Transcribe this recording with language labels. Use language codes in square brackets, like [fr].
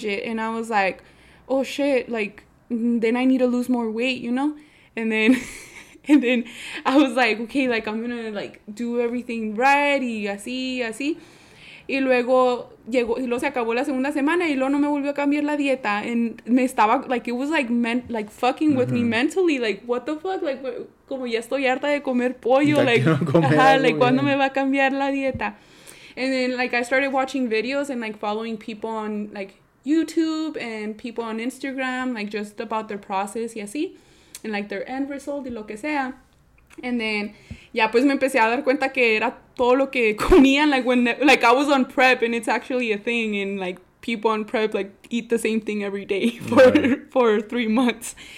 [en] change it, and I was like, oh shit, like, then I need to lose more weight, you know, and then I was like, okay, like, I'm gonna like do everything right, [es] y así, así. Y luego llegó, y luego se acabó la segunda semana y luego no me volvió a cambiar la dieta. [en] And [es] me estaba, [en] like, it was like, like fucking with mm-hmm. me mentally. Like, what the fuck? [es] Like, como ya estoy harta de comer pollo. Ya [en] like, [es] comer ajá, like, ¿cuándo me va a cambiar la dieta? [en] And then, like, I started watching videos and, like, following people on, like, YouTube and people on Instagram. Like, just about their process y así. And, like, their end result [es] y lo que sea. [en] And then, [es] ya pues me empecé a dar cuenta que era todo lo que comían, [en] like, when, like, I was on prep, and it's actually a thing, and, like, people on prep, like, eat the same thing every day for 3 months.